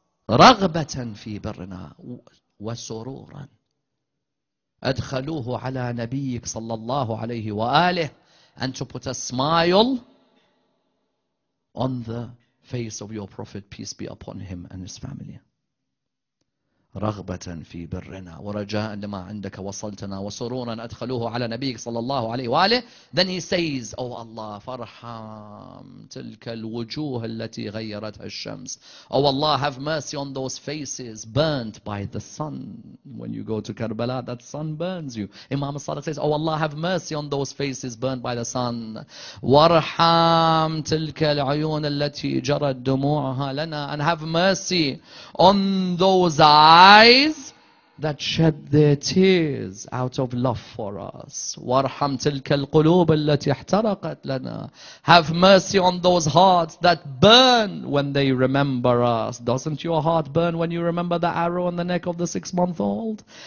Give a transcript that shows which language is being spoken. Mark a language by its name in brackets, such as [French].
[Arabic] رغبة في برنا وسرورا أدخلوه على نبيك صلى الله عليه وآله [English] and to put a smile on the face of your prophet, peace be upon him and his family. [Arabic] رغبة في برنا ورجاء لما عندك وصلتنا وسرورا أدخلوه على نبيك صلى الله عليه وآله. [English] Then he says, oh Allah, [Arabic] فارحم تلك الوجوه التي غيرتها الشمس. [English] Oh Allah, have mercy on those faces burnt by the sun. When you go to Karbala, that sun burns you. Imam al-Sadiq says, oh Allah, have mercy on those faces burnt by the sun. [Arabic] وارحم تلك العيون التي جرت دموعها لنا. [English] And have mercy on those eyes eyes that shed their tears out of love for us. [Arabic] وارحم تلك القلوب التي احترقت لنا. [English] Have mercy on those hearts that burn when they remember us. Doesn't your heart burn when you remember the arrow in the neck of the 6-month-old?